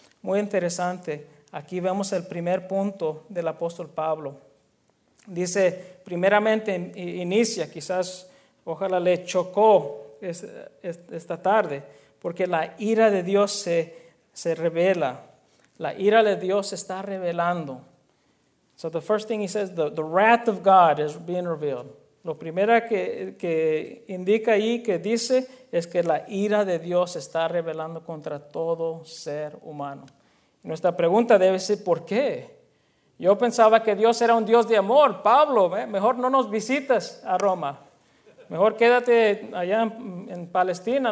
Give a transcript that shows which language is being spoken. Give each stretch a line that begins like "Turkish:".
Spanish: Muy interesante. Aquí vemos el primer punto del apóstol Pablo. Dice, primeramente inicia, quizás ojalá le chocó esta tarde, porque la ira de Dios se revela. La ira de Dios se está revelando.
English: So the first thing he says, the wrath of God is being revealed.
Spanish: Lo primero que indica ahí, que dice, es que la ira de Dios se está revelando contra todo ser humano. Nuestra pregunta debe ser, ¿por qué? Yo pensaba que Dios era un Dios de amor. Pablo, mejor no nos visitas a Roma. Mejor quédate allá en Palestina.